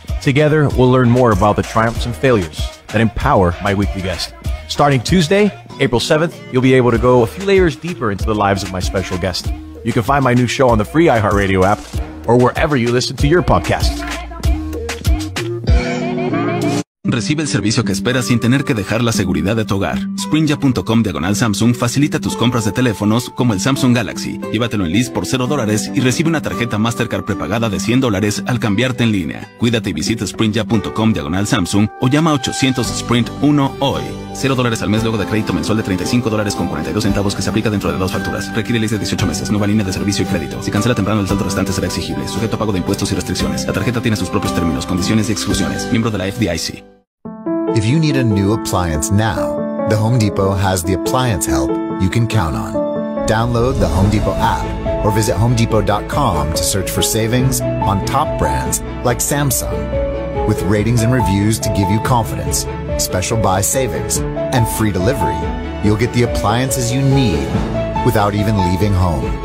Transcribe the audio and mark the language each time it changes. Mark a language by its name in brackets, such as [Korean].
[English] Together, we'll learn more about the triumphs and failures that empower my weekly guest. Starting Tuesday, April 7th, you'll be able to go a few layers deeper into the lives of my special guest. You can find my new show on the free iHeartRadio app or wherever you listen to your podcasts. [Spanish] Recibe el servicio que esperas sin tener que dejar la seguridad de tu hogar. Sprinja.com/Samsung facilita tus compras de teléfonos como el Samsung Galaxy. Llévatelo en Liz por $0 y recibe una tarjeta Mastercard prepagada de $100 al cambiarte en línea. Cuídate y visita Sprinja.com/Samsung o llama 800-SPRINT-1 hoy. $0 al mes luego de crédito mensual de $35.42 que se aplica dentro de dos facturas. Requiere Liz de 18 meses, nueva línea de servicio y crédito. Si cancela temprano, el saldo restante será exigible, sujeto a pago de impuestos y restricciones. La tarjeta tiene sus propios términos, condiciones y exclusiones. Miembro de la FDIC. [English] If you need a new appliance now, The Home Depot has the appliance help you can count on. Download the Home Depot app or visit homedepot.com to search for savings on top brands like Samsung. With ratings and reviews to give you confidence, special buy savings, and free delivery, you'll get the appliances you need without even leaving home.